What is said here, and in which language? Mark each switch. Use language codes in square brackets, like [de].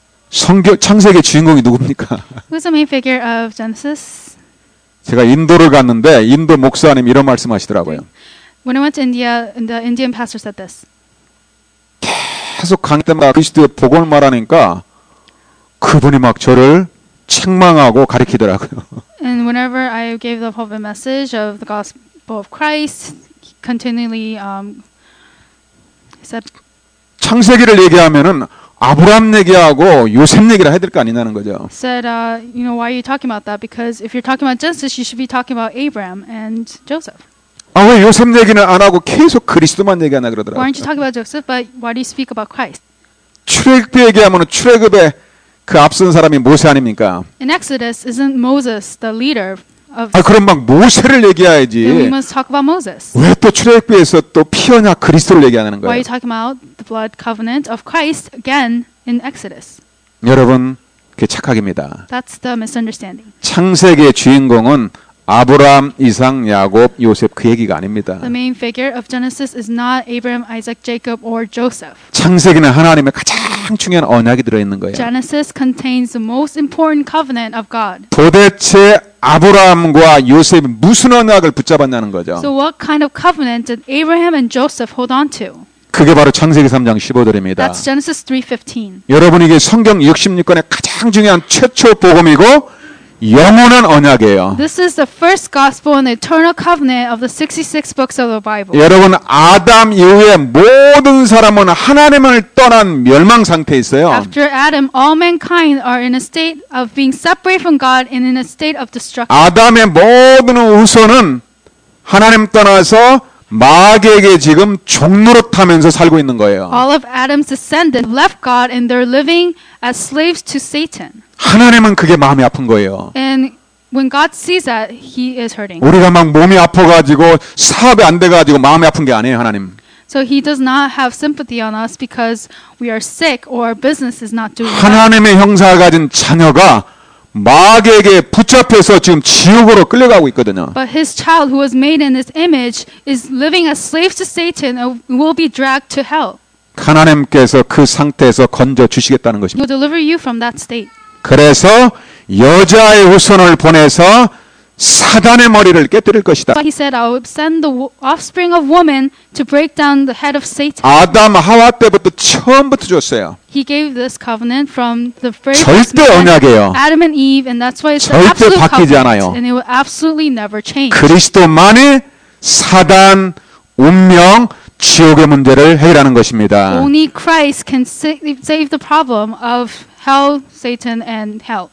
[ko] 성경 창세기 주인공이 누굽니까? [en] Who's the main figure of Genesis? [ko] 제가 인도를 갔는데 인도 목사님 이런 말씀하시더라고요. [en] When I went to India, the Indian pastor said this. [ko] 계속 강의 때마다 그리스도의 복음을 말하니까 그분이 막 저를 책망하고 가리키더라고요. [en] And whenever I gave the pulpit message of the gospel of Christ, he continually said. [ko] 창세기를 얘기하면은 아브라함 얘기하고 요셉 얘기를 해야 될 거 아니냐는 거죠. [en] Said, you know, why are you talking about that? Because if you're talking about Genesis, you should be talking about Abraham and Joseph. [ko] 아, 왜 요셉 얘기는 안 하고 계속 그리스도만 얘기하나 그러더라고요. [en] Why don't you talk about Joseph, but why do you speak about Christ? [ko] 출애굽에 얘기하면 출애굽에 그 앞선 사람이 모세 아닙니까? [en] In Exodus, isn't Moses the leader of? [ko] 아, 그럼 막 모세를 얘기해야지. [en] Then we must talk about Moses. [ko] 왜 또 출애굽에서 또 피 언약 그리스도를 얘기하는 거예요? [en] Why are you talking about the blood covenant of Christ again in Exodus? [ko] 여러분, 그게 착각입니다. [en] That's the misunderstanding. [ko] 창세기의 주인공은 아브라함, 이삭, 야곱, 요셉 그 얘기가 아닙니다. [en] The main figure of Genesis is not Abraham, Isaac, Jacob, or Joseph. [ko] 창세기는 하나님의 가장 중요한 언약이 들어 있는 거예요. [en] Genesis contains the most important covenant of God. [ko] 도대체 아브라함과 요셉이 무슨 언약을 붙잡았냐는 거죠. [en] So what kind of covenant did Abraham and Joseph hold on to? [ko] 그게 바로 창세기 3장 15절입니다. [en] That's Genesis 3:15. [ko] 여러분 이게 성경 66권의 가장 중요한 최초 복음이고 영원한 언약이에요. [en] This is the first gospel and eternal covenant of the 66 books of the Bible. [ko] 여러분, 아담 이후에 모든 사람은 하나님을 떠난 멸망 상태에 있어요. [en] After Adam, all mankind are in a state of being separated from God and in a state of destruction. [ko] 아담의 모든 후손은 하나님 떠나서 마귀에게 지금 종노릇하면서 살고 있는 거예요. [en] All of Adam's descendants left God and they're living as slaves to Satan. [ko] 하나님은 그게 마음이 아픈 거예요. [en] And when God sees that, He is hurting. [ko] 우리가 막 몸이 아파가지고 사업이 안 돼가지고 마음이 아픈 게 아니에요, 하나님. [en] So He does not have sympathy on us because we are sick or our business is not doing well. [ko] 하나님의 형상을 가진 자녀가 마귀에게 붙잡혀서 지금 지옥으로 끌려가고 있거든요. [en] But his child who was made in his image is living as slave to Satan and will be dragged to hell. [ko] 하나님께서 그 상태에서 건져 주시겠다는 것입니다. [en] He will deliver you from that state. [ko] 그래서 여자의 후손을 보내서 사단의 머리를 깨뜨릴 것이다. [en] But he said, I will send the offspring of woman to break down the head of Satan. [ko] 아담 하와 때부터 처음부터 줬어요. [en] He gave this covenant from the very first. [ko] 절대 언약이에요. [en] Adam and Eve, and that's why it's an absolute covenant. [ko] 절대 바뀌지 않아요. [en] And it will absolutely never change. [ko] 그리스도만이 사단 운명 지옥의 문제를 해결하는 것입니다. [en] Only Christ can save the problem of hell, Satan, and hell.